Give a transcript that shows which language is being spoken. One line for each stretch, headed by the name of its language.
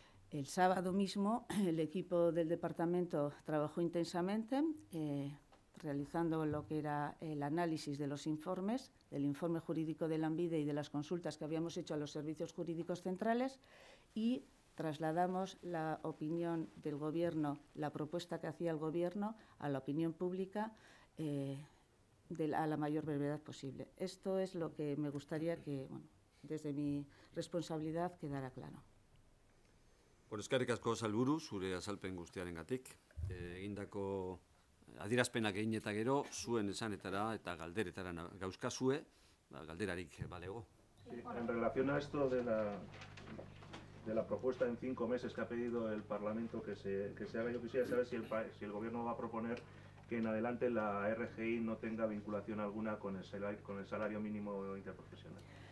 Spanish: El sábado mismo el equipo del departamento trabajó intensamente, realizando lo que era el análisis de los informes, del informe jurídico de Lanbide y de las consultas que habíamos hecho a los servicios jurídicos centrales, y trasladamos la opinión del Gobierno, la propuesta que hacía el Gobierno, a la opinión pública, a la mayor brevedad posible. Esto es lo que me gustaría que, desde mi responsabilidad, quedara claro.
Basque: Bueno, eskerrik asko, Salburu, zure azalpen guztiarengatik. Egindako adierazpenak egin eta gero, zuen esanetara eta galderetara gauzkazue, galderarik balego.
Spanish: En relación a esto de la propuesta en 5 meses que ha pedido el Parlamento que se haga, yo quisiera saber si el gobierno va a proponer que en adelante la RGI no tenga vinculación alguna con el salario mínimo interprofesional.